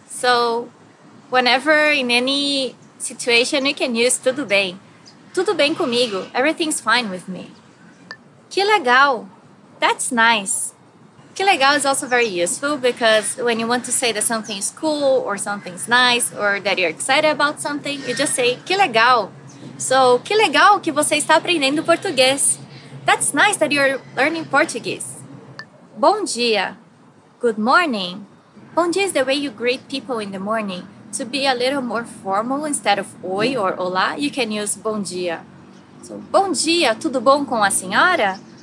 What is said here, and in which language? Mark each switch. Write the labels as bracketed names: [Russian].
[English] So whenever in any situation you can use [Portuguese] tudo bem comigo, [English] everything's fine with me. [Portuguese] Que legal, [English] that's nice. Que legal is also very useful because when you want to say that something's cool or something's nice or that you're excited about something, you just say [Portuguese] que legal. So que legal que você está aprendendo português. [English] That's nice that you're learning Portuguese. [Portuguese] Bom dia, [English] good morning. [Portuguese] Bom dia [English] is the way you greet people in the morning. To be a little more formal, instead of oi or olá, you can use [Portuguese] bom dia. So, bom dia, tudo bom com a senhora?